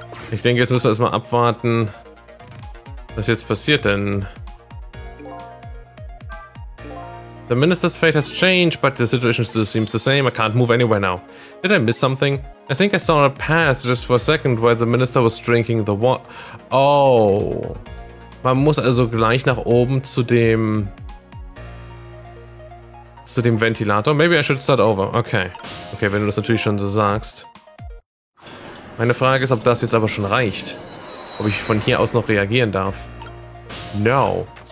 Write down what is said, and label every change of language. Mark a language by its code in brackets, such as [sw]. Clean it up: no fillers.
[de] Ich denke, jetzt müssen wir erstmal abwarten, was jetzt passiert denn. [en] The minister's fate has changed, but the situation still seems the same. I can't move anywhere now. Did I miss something? I think I saw a pass just for a second while the minister was drinking the water. Oh. [de] Man muss also gleich nach oben zu dem zu dem Ventilator. [en] Maybe I should start over. [de] Okay. Okay, wenn du das natürlich schon so sagst. Meine Frage ist, ob das jetzt aber schon reicht. Ob ich von hier aus noch reagieren darf. No.